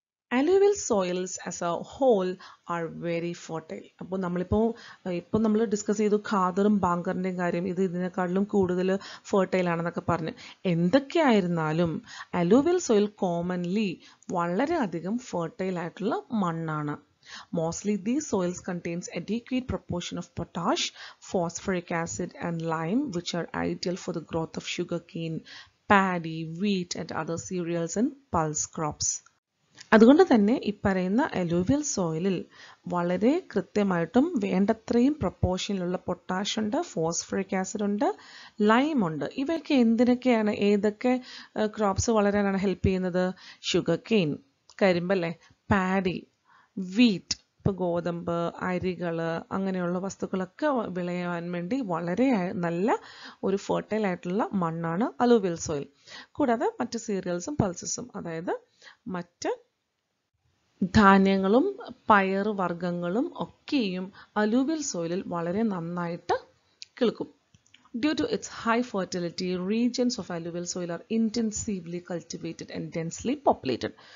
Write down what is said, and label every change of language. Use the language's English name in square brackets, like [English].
[English] Alluvial soils as a whole are very fertile. [Malayalam] അപ്പോൾ നമ്മളിപ്പോൾ നമ്മൾ ഡിസ്കസ് ചെയ്തു ഖാദറും ബാങ്കറിൻ്റെയും കാര്യം, ഇത് ഇതിനേക്കാളിലും കൂടുതൽ ഫെർട്ടൈൽ ആണെന്നൊക്കെ പറഞ്ഞ്. എന്തൊക്കെയായിരുന്നാലും അലുവിയൽ സോയിൽ കോമൺലി വളരെയധികം ഫെർട്ടൈൽ ആയിട്ടുള്ള മണ്ണാണ്. [English] Mostly these soils contains adequate proportion of potash, phosphoric acid and lime, which are ideal for the growth of sugarcane, paddy, wheat and other cereals and pulse crops. [Malayalam] അതുകൊണ്ട് തന്നെ ഈ പറയുന്ന അലുവിയൽ സോയിലിൽ വളരെ കൃത്യമായിട്ടും വേണ്ടത്രയും പ്രപ്പോർഷനിലുള്ള potash ഉണ്ട്, ഫോസ്ഫറിക് ആസിഡ് ഉണ്ട്, lime ഉണ്ട്. ഇവയൊക്കെ എന്തിനൊക്കെയാണ്, ഏതൊക്കെ ക്രോപ്സ് വളരാനാണ് ഹെൽപ്പ് ചെയ്യുന്നത്? ഷുഗർകെയിൻ, കരിമ്പല്ലേ, പാഡി, വീറ്റ്, ഇപ്പോൾ ഗോതമ്പ്, അരികൾ, അങ്ങനെയുള്ള വസ്തുക്കളൊക്കെ വിളയാൻ വേണ്ടി വളരെ നല്ല ഒരു ഫെർട്ടൈൽ ആയിട്ടുള്ള മണ്ണാണ് അലുവിയൽ സോയിൽ. കൂടാതെ മറ്റ് സീരിയൽസും പൾസസും, അതായത് മറ്റ് ധാന്യങ്ങളും പയറുവർഗ്ഗങ്ങളും ഒക്കെയും അലുവിയൽ സോയിലിൽ വളരെ നന്നായിട്ട് കിളുക്കും. [English] Due to its high fertility, regions of alluvial soil are intensively cultivated and densely populated.